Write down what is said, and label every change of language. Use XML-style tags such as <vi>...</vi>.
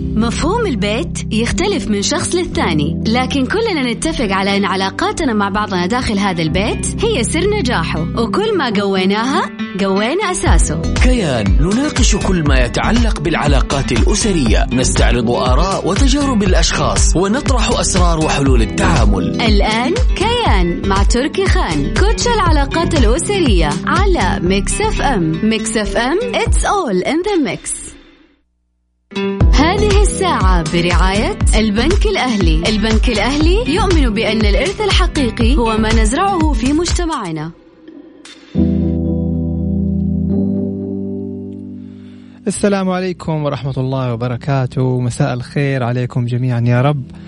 <ar>مفهوم البيت يختلف من شخص للثاني، لكن كلنا نتفق على أن علاقاتنا مع بعضنا داخل هذا البيت هي سر نجاحه، وكل ما قويناها قوينا أساسه. كيان، نناقش كل ما يتعلق بالعلاقات الأسرية، نستعرض آراء وتجارب الأشخاص، ونطرح أسرار وحلول التعامل. الآن كيان مع تركي خان، كوتش العلاقات الأسرية على ميكس أف أم.</ar> <en>Mix FM, It's all in the mix.</en> <ar>هذه الساعة برعاية البنك الأهلي. البنك الأهلي يؤمن بأن الإرث الحقيقي هو ما نزرعه في مجتمعنا. السلام عليكم ورحمة الله وبركاته، مساء الخير عليكم جميعا يا رب.</ar>